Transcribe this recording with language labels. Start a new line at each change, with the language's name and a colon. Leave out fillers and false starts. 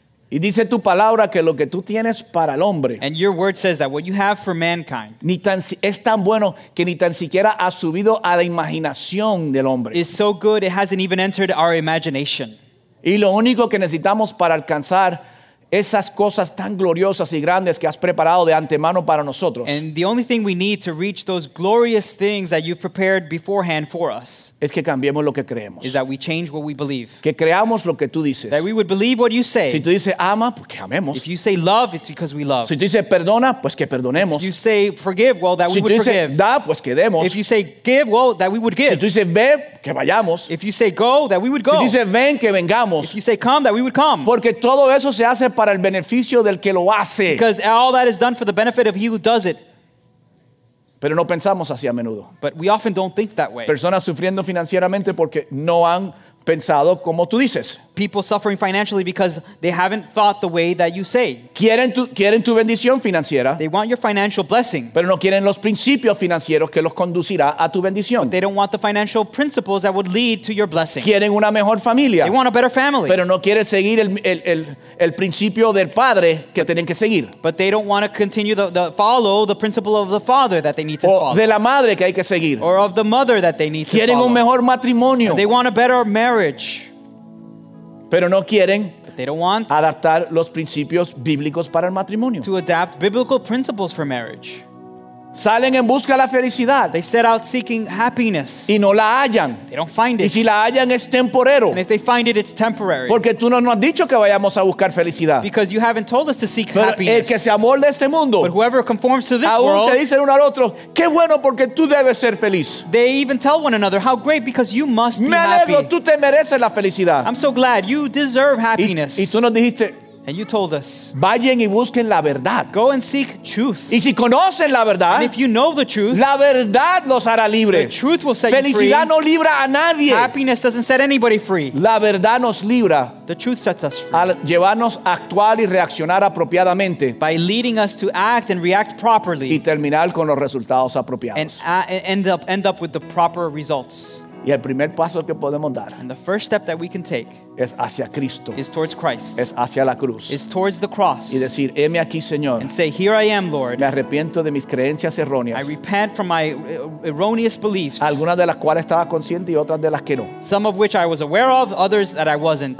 Spanish: Y dice tu palabra que lo que tú tienes para el hombre
English: and your word says that what you have for mankind
Spanish: ni tan, es tan bueno que ni tan siquiera ha subido a la imaginación del hombre.
English: Is so good it hasn't even entered our imagination.
Spanish: Y lo único que necesitamos para alcanzar esas cosas tan gloriosas y grandes que has preparado de antemano para nosotros.
English: And the only thing we need to reach those glorious things that you've prepared beforehand for us.
Spanish: Es que cambiemos lo que creemos.
English: Is that we change what we believe.
Spanish: Que creamos lo que tú dices.
English: That we would believe what you say.
Spanish: Si tú dices ama, pues que amemos.
English: If you say love, it's because we love.
Spanish: Si tú dices perdona, pues que perdonemos.
English: If you say forgive, well, that
Spanish: si
English: we would forgive.
Spanish: Si tú dices da, pues que demos.
English: If you say give, well, that we would give.
Spanish: Si tú dices ve, que vayamos.
English: If you say go, that we would go.
Spanish: Si tú dices ven, que vengamos.
English: If you say come, that we would come.
Spanish: Porque todo eso se hace para el beneficio del que lo hace.
English: Because all that is done for the benefit of he who does it.
Spanish: Pero no pensamos así a menudo.
English: But we often don't think that way.
Spanish: Personas sufriendo financieramente porque no han pensado como tú dices.
English: People suffering financially because they haven't thought the way that you say.
Spanish: Quieren tu bendición financiera.
English: They want your financial blessing.
Spanish: Pero no quieren los principios financieros que los conducirá a tu bendición.
English: But they don't want the financial principles that would lead to your blessing.
Spanish: Quieren una mejor familia.
English: They want a better family.
Spanish: Pero no quieren seguir el principio del padre que tienen que seguir.
English: But they don't want to continue the follow the principle of the father that they need to
Spanish: o
English: follow.
Spanish: O de la madre que hay que seguir.
English: Or of the mother that they need
Spanish: quieren
English: to follow.
Spanish: Quieren un mejor matrimonio.
English: They want a better marriage.
Spanish: Pero no quieren
English: they don't want
Spanish: adaptar los principios bíblicos para el matrimonio.
English: To adapt biblical principles for marriage.
Spanish: Salen en busca de la felicidad.
English: They set out seeking happiness.
Spanish: Y no la hallan.
English: They don't find it.
Spanish: Y si la hallan es temporero.
English: And if they find it, it's temporary.
Spanish: Porque tú no nos has dicho que vayamos a buscar felicidad.
English: Because you haven't told us to seek
Spanish: pero
English: happiness.
Spanish: El que se amolde este mundo.
English: But whoever conforms to this
Spanish: aún
English: world.
Spanish: Aún se dicen uno al otro, qué bueno porque tú debes ser feliz.
English: They even tell one another how great because you must be
Spanish: me alegro,
English: happy.
Spanish: Tú te mereces la felicidad.
English: I'm so glad you deserve happiness.
Spanish: Y tú nos dijiste.
English: And you told us.
Spanish: Vayan y busquen la verdad.
English: Go and seek truth.
Spanish: Y si conocen la verdad.
English: And if you know the truth.
Spanish: La verdad los hará libre.
English: The truth will set you
Spanish: free. Felicidad no libra a nadie.
English: Happiness doesn't set anybody free.
Spanish: La verdad nos libra.
English: The truth sets us free.
Spanish: Al llevarnos a actuar y reaccionar apropiadamente.
English: By leading us to act and react properly.
Spanish: Y terminar con los resultados apropiados.
English: And end up with the proper results.
Spanish: Y el primer paso que podemos dar
English: and the first step that we can take
Spanish: es hacia Cristo,
English: is towards Christ,
Spanish: es hacia la cruz,
English: is towards the cross,
Spanish: y decir, "Heme aquí, Señor."
English: And say, "Here I am, Lord."
Spanish: Me arrepiento de mis creencias erróneas.
English: I repent from my erroneous beliefs.
Spanish: Algunas de las cuales estaba consciente y otras de las que no.
English: Some of which I was aware of, others that I wasn't.